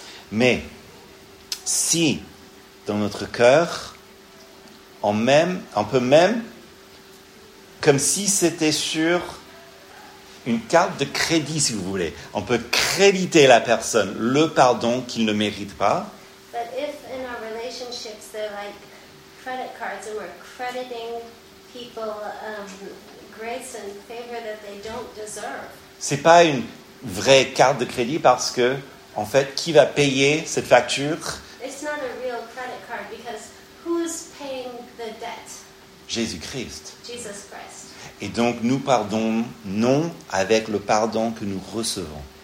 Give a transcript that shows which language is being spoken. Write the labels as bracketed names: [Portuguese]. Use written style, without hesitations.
[French] Mais si dans notre cœur, on peut même, comme si c'était sur une carte de crédit, si vous voulez, on peut créditer la personne le pardon qu'il ne mérite pas. [English] But if in our relationships they're like credit cards and we're crediting people grace and favor that they don't deserve. [French] C'est pas une vraie carte de crédit parce que, en fait, qui va payer cette facture? [English] It's not a real credit card because who's paying the debt? [French] Jésus-Christ. [English] Jesus Christ. [French] Et donc, nous pardonnons non avec le pardon que nous recevons.